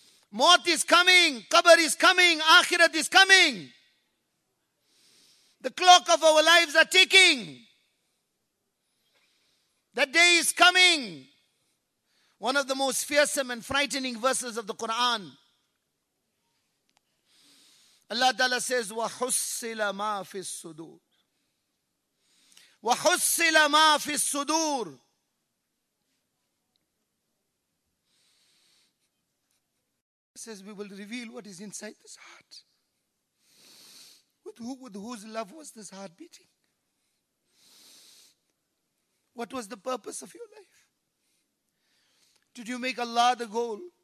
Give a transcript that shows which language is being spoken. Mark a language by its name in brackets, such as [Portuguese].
[English] Maut is coming, qabr is coming, akhirat is coming. The clock of our lives are ticking. That day is coming. One of the most fearsome and frightening verses of the Quran. Allah Ta'ala says, [Arabic] وَحُسِّلَ مَا فِي الصُّدُورِ [English] وَحُسِّلَ مَا فِي الصُّدُورِ. Says we will reveal what is inside this heart. With whose love was this heart beating? What was the purpose of your life? Did you make Allah the goal?